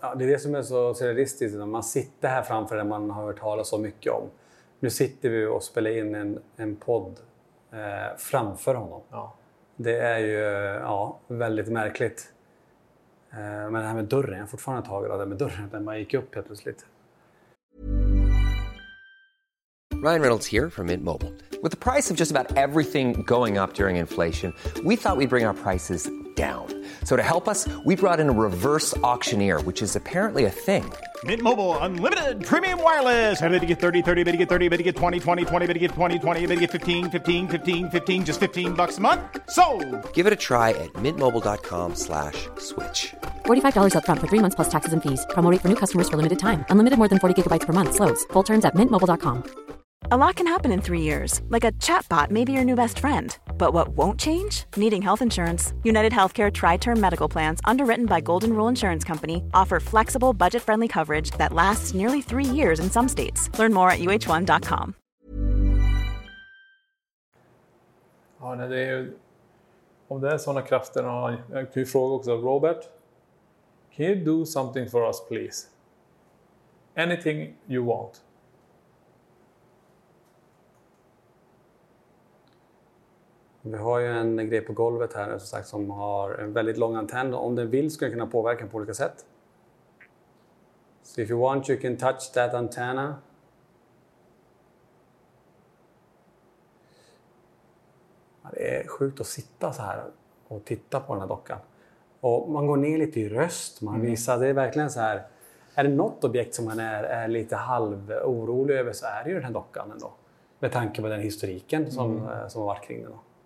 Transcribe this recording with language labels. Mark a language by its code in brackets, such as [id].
[sv] Ja, det är det som är så surrealistiskt. När man sitter här framför det man har hört talas så mycket om. Nu sitter vi och spelar in en podd framför honom. Ja. Det är ju ja, väldigt märkligt. Men det här med dörren, jag har fortfarande tagit av det med dörren. När man gick upp helt plötsligt. [en] Ryan Reynolds here from Mint Mobile. With the price of just about everything going up during inflation, we thought we'd bring our prices down. So to help us, we brought in a reverse auctioneer, which is apparently a thing. Mint Mobile Unlimited Premium Wireless. How to get 30, 30, how to get 30, how to get 20, 20, 20, how to get 20, 20, how to get 15, 15, 15, 15, just $15 a month? Sold! Give it a try at mintmobile.com/switch. $45 up front for 3 months plus taxes and fees. Promo rate for new customers for limited time. Unlimited more than 40 gigabytes per month. Slows full terms at mintmobile.com. A lot can happen in 3 years, like a chatbot may be your new best friend. But what won't change? Needing health insurance. UnitedHealthcare Tri-Term Medical Plans, underwritten by Golden Rule Insurance Company, offer flexible, budget-friendly coverage that lasts nearly 3 years in some states. Learn more at uh1.com. [sv] Ja, nej, det är, om det är sådana krafter, jag kan ju fråga också, Robert, [en] can you do something for us, please? Anything you want. [sv] Vi har ju en grej på golvet här som sagt som har en väldigt lång antenn. Om den vill skulle den kunna påverka på olika sätt. [en] So if you want you can touch that antenna. [sv] Ja, det är sjukt att sitta så här och titta på den här dockan. Och man går ner lite i röst. Man visar, det är verkligen så här. Är det något objekt som man är lite halv orolig över så är det ju den här dockan ändå. Med tanke på den historiken som har varit kring den då.